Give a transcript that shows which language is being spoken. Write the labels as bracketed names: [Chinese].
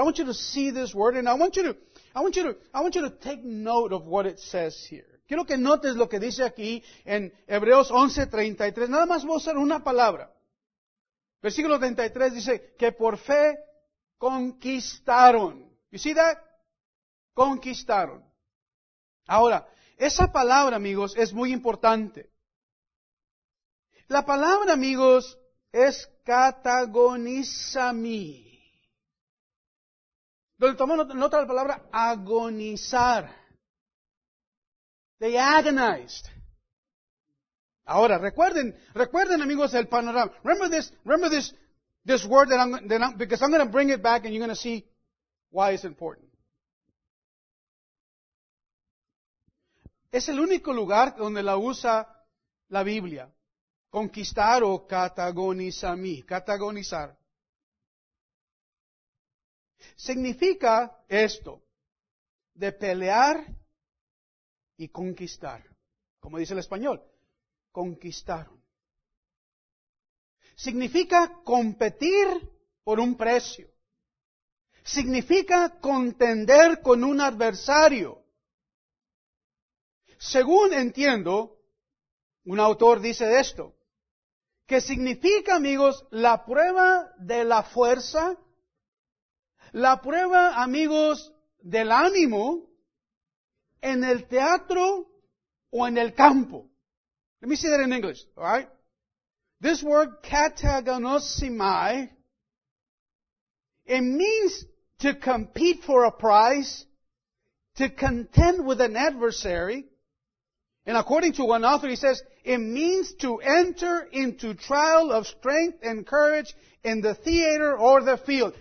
[English] I want you to see this word, and I want you to take note of what it says here. [Spanish] Quiero que notes lo que dice aquí en Hebreos 11:33. Nada más voy a usar una palabra. Versículo 33 dice que por fe conquistaron. [English] You see that? [Spanish] Conquistaron. Ahora, esa palabra, amigos, es muy importante. La palabra, amigos, es katagonizami. Donde tomamos nota la palabra agonizar. [English] They agonized. [Spanish] Ahora, recuerden, amigos, el panorama. [English] Remember this word because I'm going to bring it back and you're going to see why it's important. [Spanish] Es el único lugar donde la usa la Biblia. Conquistar o katagonizami. Katagonizar. Significa esto. De pelear y conquistar. Como dice el español. Conquistaron. Significa competir por un precio. Significa contender con un adversario. Según entiendo, un autor dice esto, que significa, amigos, la prueba de la fuerza, la prueba, amigos, del ánimo, en el teatro o en el campo. [English] Let me say that in English, all right? This word, katagonosimai, it means to compete for a prize, to contend with an adversary. And according to one author, he says, it means to enter into trial of strength and courage in the theater or the field.